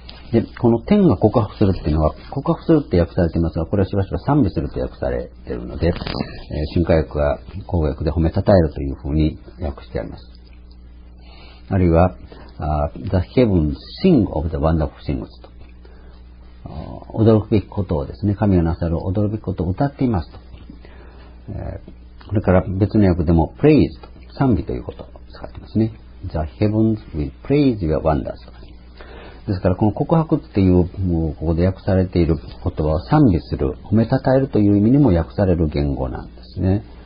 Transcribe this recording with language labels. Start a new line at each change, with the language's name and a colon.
Japanese: でこの天が告白するっていうのは、告白するって訳されていますが、これはしばしば賛美すると訳されているので、新科訳は口語訳で褒めたたえるというふうに訳してあります。あるいは、
English: The heaven sing of the wonderful things
Japanese: と。驚くべきことをですね、神がなさる驚くべきことを歌っていますと。それから別の訳でも praise と、賛美ということを使っていますね。
English: The heavens will praise your wonders。
Japanese: ですからこの告白っていう、もうここで訳されている言葉は賛美する、褒めたたえるという意味にも訳される言語なんですね。